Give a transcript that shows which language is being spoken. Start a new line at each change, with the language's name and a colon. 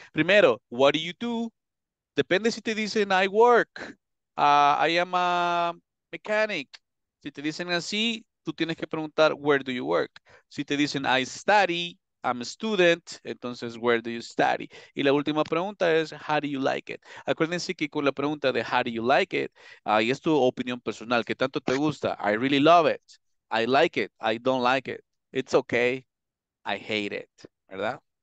Spanish: Primero,
English: what do you do?
Spanish: Depende si te dicen,
English: I work, I am a mechanic.
Spanish: Si te dicen así, tú tienes que preguntar,
English: where do you work?
Spanish: Si te dicen,
English: I study, I'm a student,
Spanish: entonces,
English: where do you study?
Spanish: Y la última pregunta es,
English: how do you like it?
Spanish: Acuérdense que con la pregunta de,
English: how do you like it?
Spanish: Y es tu opinión personal, ¿qué tanto te gusta?
English: I really love it, I like it, I don't like it, it's okay, I hate it,
Spanish: ¿verdad?